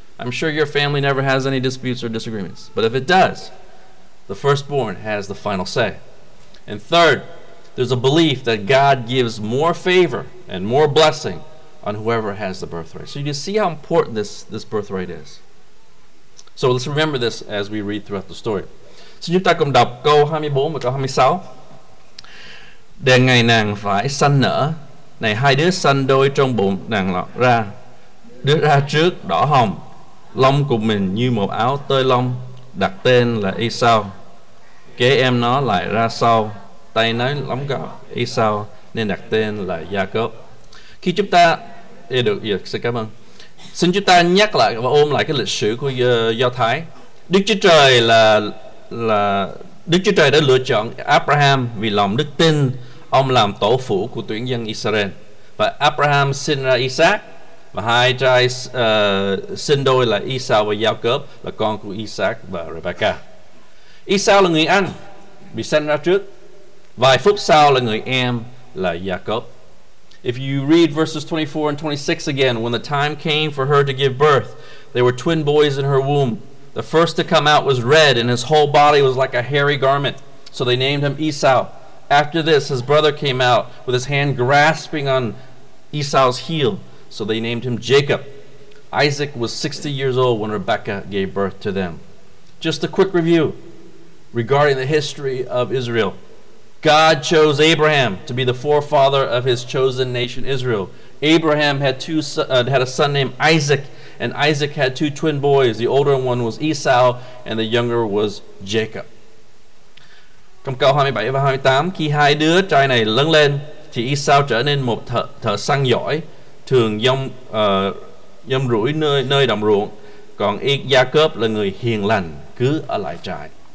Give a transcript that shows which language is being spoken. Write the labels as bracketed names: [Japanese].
[English] I'm sure your family never has any disputes or disagreements, but if it does, the firstborn has the final say. And third, there's a belief that God gives more favor and more blessing on whoever has the birthright. So you see how important this birthright is. So let's remember this as we read throughout the story. [Vietnamese] Xin chúng ta cùng đọc câu 24 và câu 26. Để ngày nàng phải sanh nở, này hai đứa sanh đôi trong bụng nàng lọt ra. Đứa ra trước đỏ hồng, lông của mình như một áo tơi lông, đặt tên là Esau. Kế em nó lại ra sau, tay nó lắm gạo Esau, nên đặt tên là Jacob. Khi chúng ta... xin cảm ơn. Xin chúng ta nhắc lại và ôm lại cái lịch sử của Do Thái. Đức Chúa Trời là Đức Chúa Trời đã lựa chọn Abraham vì lòng đức tin ông làm tổ phụ của tuyển dân Israel. Và Abraham sinh ra Isaac, và hai trai sinh đôi là Esau và Jacob, là con của Isaac và Rebecca. Esau là người anh bị sinh ra trước, vài phút sau là người em là Jacob. [English] If you read verses 24 and 26 again, when the time came for her to give birth, there were twin boys in her womb. The first to come out was red, and his whole body was like a hairy garment. So they named him Esau. After this, his brother came out with his hand grasping on Esau's heel. So they named him Jacob. Isaac was 60 years old when Rebekah gave birth to them. Just a quick review regarding the history of Israel. God chose Abraham to be the forefather of his chosen nation Israel. Abraham had had a son named Isaac, and Isaac had two twin boys. The older one was Esau, and the younger was Jacob. [Vietnamese] Trong câu 27 và 28, khi hai đứa trai này lớn lên, thì Esau trở nên một thợ săn giỏi, thường dông rủi nơi đồng ruộng, còn Jacob là người hiền lành, cứ ở lại trại.